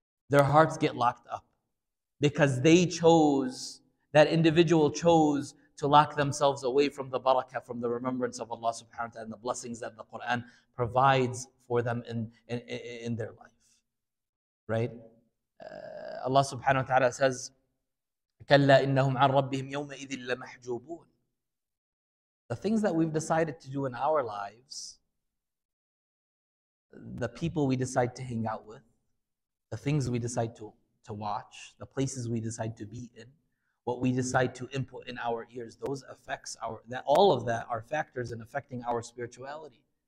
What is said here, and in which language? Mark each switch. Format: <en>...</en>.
<en>Their hearts get locked up. Because that individual chose to lock themselves away from the barakah, from the remembrance of Allah subhanahu wa ta'ala, and the blessings that the Qur'an provides for them in their life. Right? Allah subhanahu wa ta'ala says,</en> <ar>كَلَّا إِنَّهُمْ عَنْ رَبِّهِمْ يَوْمَئِذٍ لَمَحْجُوبُونَ.</ar> <en>The things that we've decided to do in our lives, the people we decide to hang out with, the things we decide to watch, the places we decide to be in, what we decide to input in our ears, those affects all of that are factors in affecting our spirituality.</en>